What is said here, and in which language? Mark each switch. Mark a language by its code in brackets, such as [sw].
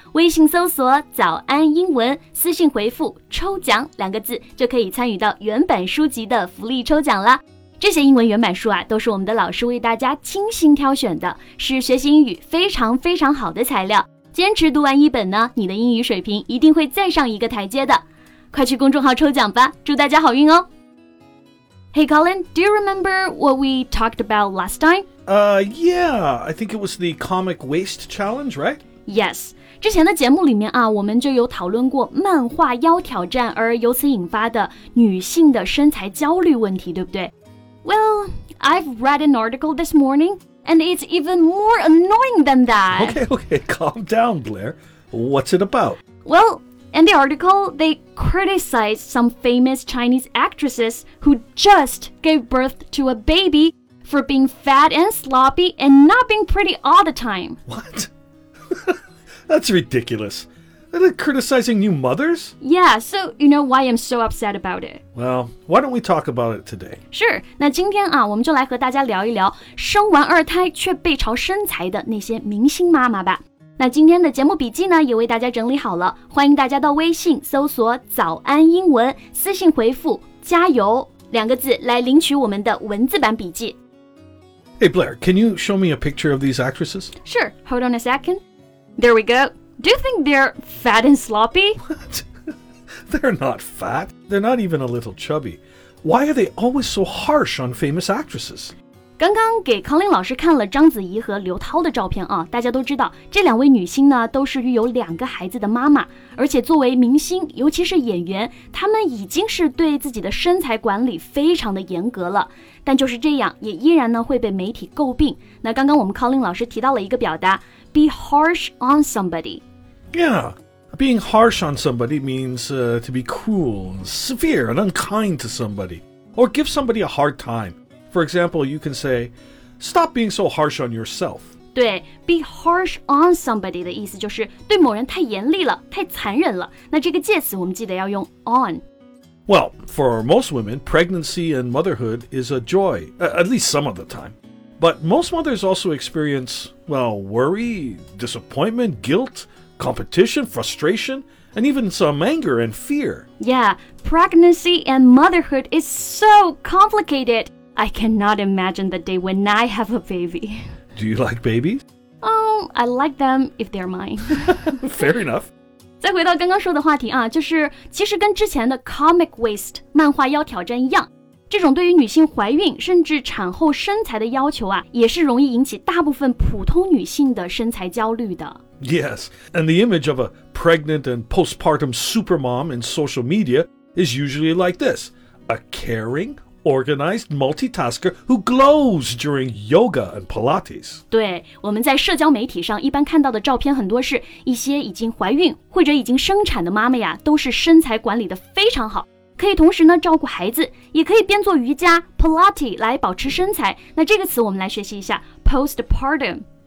[zh] 微信搜索早安英文，私信回复抽奖两个字，就可以参与到原版书籍的福利抽奖了。这些英文原版书啊，都是我们的老师为大家精心挑选的，是学习英语非常非常好的材料。坚持读完一本呢，你的英语水平一定会再上一个台阶的。快去公众号抽奖吧，祝大家好运哦。 [en] Hey Colin, do you remember what we talked about last time? Yeah, I think it was the comic waste challenge, right? [zh] Yes, 之前的节目里面啊，我们就有讨论过漫画腰挑战而由此引发的女性的身材焦虑问题，对不对？ [en] Well, I've read an article this morning, and it's even more annoying than that. Okay, calm down, Blair. What's it about? Well, in the article, they criticized some famous Chinese actresses who just gave birth to a baby for being fat and sloppy and not being pretty all the time. What? That's ridiculous. Are they criticizing new mothers? Yeah, so you know why I'm so upset about it. Well, why don't we talk about it today? [zh] Sure, 那今天啊，我们就来和大家聊一聊生完二胎却被嘲身材的那些明星妈妈吧。那今天的节目笔记呢，也为大家整理好了，欢迎大家到微信搜索早安英文，私信回复加油两个字来领取我们的文字版笔记。 [en] Hey Blair, can you show me a picture of these actresses? Sure, hold on a second. There we go. Do you think they're fat and sloppy? What? They're not fat. They're not even a little chubby. Why are they always so harsh on famous actresses? [zh] 刚刚给康林老师看了章子怡和刘涛的照片啊，大家都知道这两位女星呢都是育有两个孩子的妈妈，而且作为明星尤其是演员，她们已经是对自己的身材管理非常的严格了，但就是这样也依然呢会被媒体诟病。那刚刚我们康林老师提到了一个表达 [en] be harsh on somebody. Yeah, being harsh on somebody means to be cruel, severe and unkind to somebody, or give somebody a hard time. For example, you can say, stop being so harsh on yourself. [zh] 对 [en] be harsh on somebody [zh] 的意思就是对某人太严厉了，太残忍了。那这个介词我们记得要用 on. [en] Well, for most women, pregnancy and motherhood is a joy, at least some of the time. But most mothers also experience, well, worry, disappointment, guilt, competition, frustration, and even some anger and fear. Yeah, pregnancy and motherhood is so complicated. I cannot imagine the day when I have a baby. Do you like babies? Oh, I like them if they're mine. Fair enough. [zh] 再回到刚刚说的话题啊，就是其实跟之前的 comic waste 漫画腰挑战一样，这种对于女性怀孕甚至产后身材的要求啊，也是容易引起大部分普通女性的身材焦虑的。 [en] Yes, and the image of a pregnant and postpartum supermom in social media is usually like this, a caring,organized multitasker who glows during yoga and Pilates. [zh] 对，我们在社交媒体上一般看到的照片很多是一些已经怀孕或者已经生产的妈妈呀，都是身材管理的非常好，可以同时呢照顾孩子，也可以边做瑜伽 Pilates 来保持身材。那这个词我们来学习一下 postpartum.